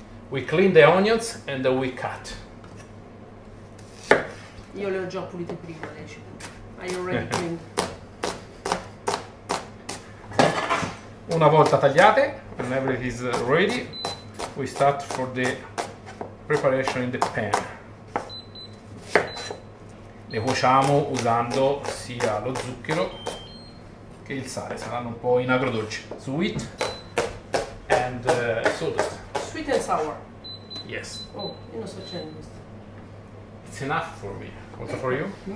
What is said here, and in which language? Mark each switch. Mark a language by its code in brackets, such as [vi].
[en] We clean the onions and then we cut. [it] Io le ho già pulite prima, le hai [en] cleaned. [it] Una volta tagliate, [en] whenever it is ready, we start for the preparation in the pan. [it] Le cuociamo usando sia lo zucchero che il sale, saranno un po' in agrodolce. [en] Sweet and sodas. Sweet and sour. Yes. [it] Oh, io non so accendere. [en] It's enough for me. Also for you?